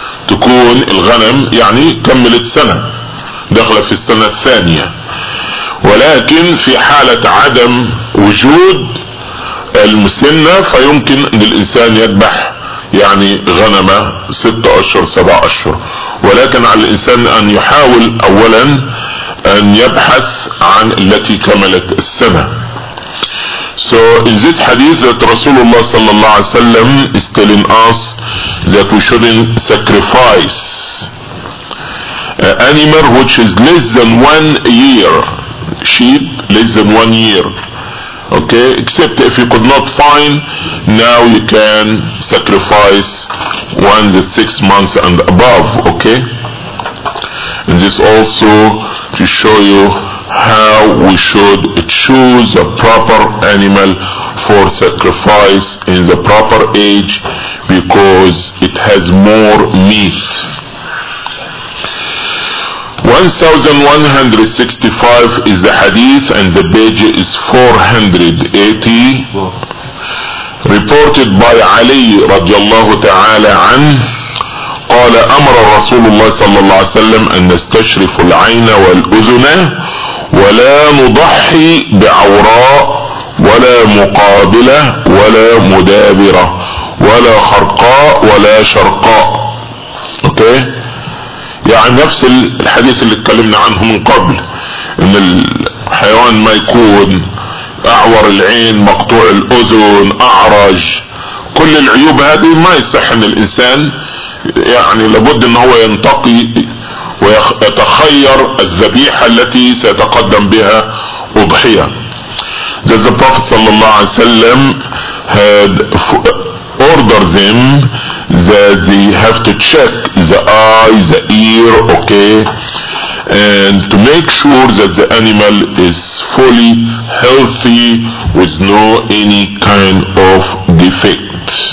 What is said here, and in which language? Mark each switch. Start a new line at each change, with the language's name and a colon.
Arabic: تكون الغنم يعني كملت سنة دخل في السنة الثانية، ولكن في حالة عدم وجود المسنة فيمكن للإنسان يذبح يعني غنمة 6 أشهر 7 أشهر، ولكن على الإنسان أن يحاول أولا أن يبحث عن التي كملت السنة.
English: So in this hadith that Rasulullah sallallahu alaihi wasallam is telling us that we shouldn't sacrifice animal which is less than 1 year, sheep less than 1 year. Okay, except if you could not find, now you can sacrifice one that 6 months and above. Okay, and this also to show you how we should choose a proper animal for sacrifice in the proper age, because it has more meat. 1165 is the hadith and the page is 480. Reported by Ali radiallahu ta'ala an,
Arabic: قال أمر رسول الله صلى الله عليه وسلم أن نستشرف العين والأذن ولا نضحي بعوراء ولا مقابلة ولا مدابرة ولا خرقاء ولا شرقاء. أوكي؟ يعني نفس الحديث اللي اتكلمنا عنه من قبل، ان الحيوان ما يكون اعور العين، مقطوع الاذن، اعرج، كل العيوب هذه ما يصح ان الانسان يعني لابد ان هو ينتقي ويتخير الذبيحة التي سيتقدم بها اضحية.
English: The Prophet صلى الله عليه وسلم had order them that they have to check the eye, the ear, okay, and to make sure that the animal is fully healthy with no any kind of defect.